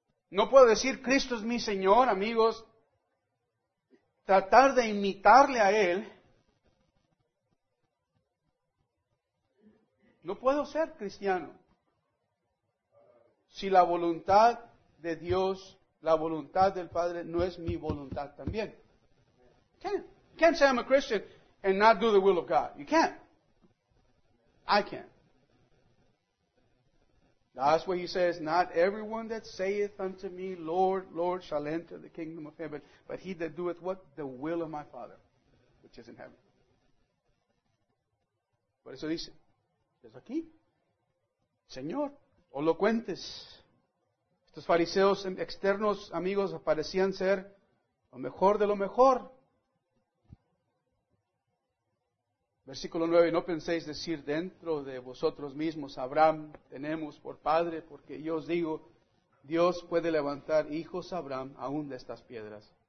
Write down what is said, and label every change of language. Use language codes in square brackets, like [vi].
[es] No puedo decir, Cristo es mi Señor, amigos, tratar de imitarle a Él. No puedo ser cristiano si la voluntad de Dios, la voluntad del Padre, no es mi voluntad también. [en] You can't say I'm a Christian and not do the will of God. You can't. I can't. That's why he says, not everyone that saith unto me, Lord, Lord, shall enter the kingdom of heaven, but he that doeth what? The will of my Father, which is in heaven. [es] Por eso dice, es aquí, Señor, o lo cuentes. Estos fariseos externos, amigos, parecían ser lo mejor de lo mejor. Versículo 9, no penséis decir dentro de vosotros mismos, Abraham tenemos por padre, porque yo os digo, Dios puede levantar hijos a Abraham aún de estas piedras.